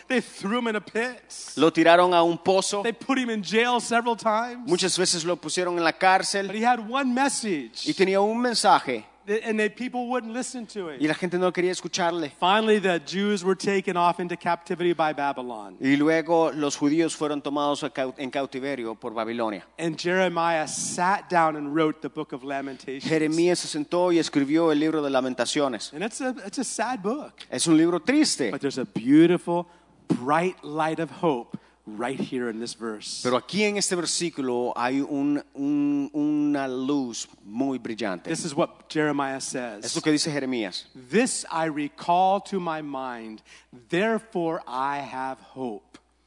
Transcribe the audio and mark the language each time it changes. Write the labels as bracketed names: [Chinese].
[English] They threw him in a pit. [Spanish] Lo tiraron a un pozo. [English] They put him in jail several times. [Spanish] Muchas veces lo pusieron en la cárcel. [English] But he had one message. [Spanish] Y tenía un mensaje. [English] And the people wouldn't listen to it. [Spanish] Y la gente no quería escucharle. [English] Finally, the Jews were taken off into captivity by Babylon. [Spanish] Y luego los judíos fueron tomados en cautiverio por Babilonia. [English] And Jeremiah sat down and wrote the book of Lamentations. [Spanish] Jeremías se sentó y escribió el libro de Lamentaciones. [English] And it's a sad book. [Spanish] Es un libro triste. [English] But there's a beautiful, bright light of hope right here in this verse. [Spanish] Pero aquí en este versículo hay una luz muy brillante. [English] This is what Jeremiah says. [Spanish] Es lo que dice Jeremías. [English] This I recall to my mind, therefore I have hope.